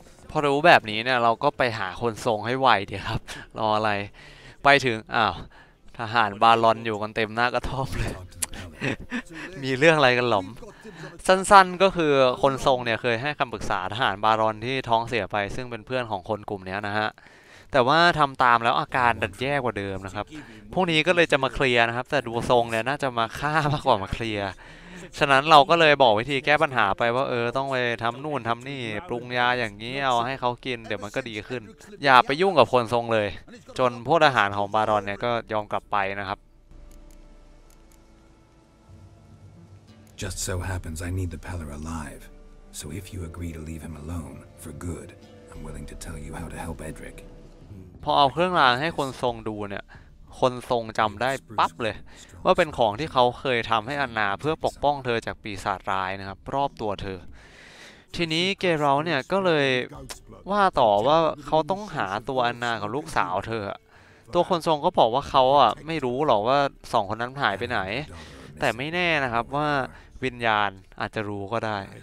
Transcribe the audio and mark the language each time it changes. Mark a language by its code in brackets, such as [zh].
[th] พอรู้แบบนี้เนี่ยเราก็ไปหาคนทรงให้ไวดีครับรออะไรไปถึงอ้าวทหารบาลอนอยู่กันเต็มหน้ากระท่อมเลยมีเรื่องอะไรกันหลอมสั้นๆก็คือคนทรงเนี่ยเคยให้คำปรึกษาทหารบารอนที่ท้องเสียไปซึ่งเป็นเพื่อนของคนกลุ่มนี้นะฮะแต่ว่าทำตามแล้วอาการดันแย่กว่าเดิมนะครับพวกนี้ก็เลยจะมาเคลียร์นะครับแต่ดูทรงเนี่ยน่าจะมาฆ่ามากกว่ามาเคลียร์ ฉะนั้นเราก็เลยบอกวิธีแก้ปัญหาไปว่าเออต้องไปทำนู่นทำนี่ปรุงยาอย่างนี้เอาให้เขากินเดี๋ยวมันก็ดีขึ้นอย่าไปยุ่งกับคนทรงเลยจนพวกทหารของบารอนเนี่ยก็ยอมกลับไปนะครับ [en] Just so happens I need the Peller alive, so if you agree to leave him alone for good, I'm willing to tell you how to help Edric. [th] พอเอาเครื่องรางให้คนทรงดูเนี่ยคนทรงจำได้ปั๊บเลยว่าเป็นของที่เขาเคยทำให้อันนาเพื่อปกป้องเธอจากปีศาจร้ายนะครับรอบตัวเธอทีนี้เกเราเนี่ยก็เลยว่าต่อว่าเขาต้องหาตัวอันนากับลูกสาวเธอตัวคนทรงก็บอกว่าเขาอ่ะไม่รู้หรอกว่าสองคนนั้นหายไปไหนแต่ไม่แน่นะครับว่าวิญญาณอาจจะรู้ก็ได้